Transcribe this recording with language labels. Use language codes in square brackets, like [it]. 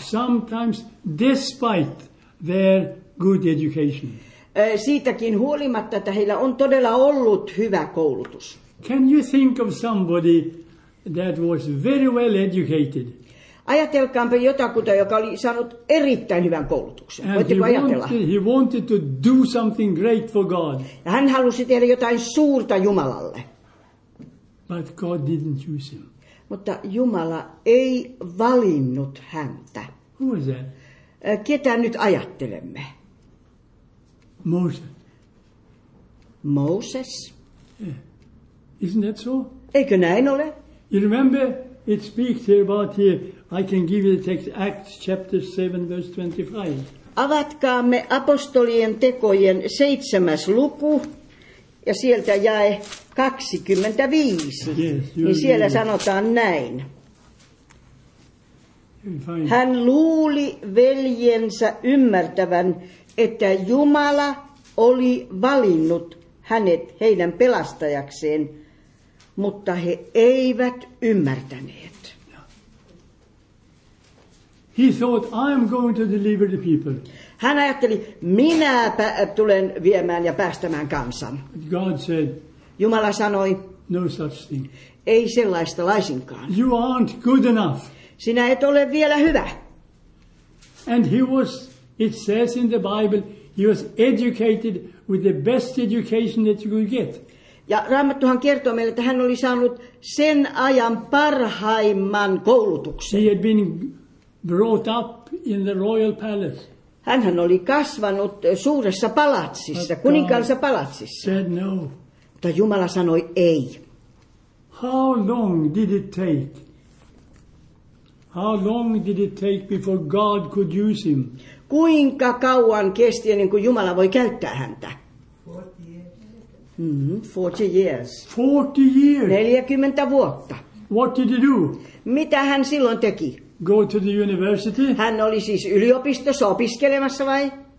[en] Sometimes despite their good education. [fi] Siitäkin huolimatta, että heillä on todella ollut hyvä koulutus. [en] Can you think of somebody that was very well educated? [fi] Ajatelkaanpa jotakuta, joka oli saanut erittäin hyvän koulutuksen. Voitteko ajatella? [en] He wanted to do something great for God. [fi] Ja hän halusi tehdä jotain suurta Jumalalle. [en] But God didn't use him. [fi] Mutta Jumala ei valinnut häntä. [en] Who was that? [fi] Ketä nyt ajattelemme? [en] Moses. Moses? Yeah. Isn't that so? [fi] Eikö näin ole? [en] You remember it speaks here about here. I can give you the text, Acts chapter 7, verse 25. [fi] Avatkaamme apostolien tekojen 7. luku ja sieltä jae 25. [en] Yes, [fi] niin siellä sanotaan näin. Hän luuli veljensä ymmärtävän, että Jumala oli valinnut hänet heidän pelastajakseen, mutta he eivät ymmärtäneet. [en] He thought, I'm going to deliver the people. [fi] Hän ajatteli, minäpä tulen viemään ja päästämään kansan. [en] God said, [fi] Jumala sanoi, [en] no such thing. [fi] Ei sellaista laisinkaan. [en] You aren't good enough. [fi] Sinä et ole vielä hyvä. [en] And he was, it says in the Bible, he was educated with the best education that you could get. [fi] Ja Raamattuhan kertoo meille, että hän oli saanut sen ajan parhaimman koulutuksen. [en] He had been brought up in the royal palace. [fi] Hänhän oli kasvanut suuressa palatsissa, kuninkaansa palatsissa. [en] Said no. [fi] Mutta Jumala sanoi ei. [en] How long did it take? How long did it take before God could use him? [fi] Kuinka kauan kesti ennen kuin Jumala voi käyttää häntä? [en] 40 years. 40 years. [fi] 40 vuotta. [en] What did he do? [fi] Mitä hän silloin teki? [en] Go to the university? [fi] Hän oli siis yliopistossa opiskelemassa vai?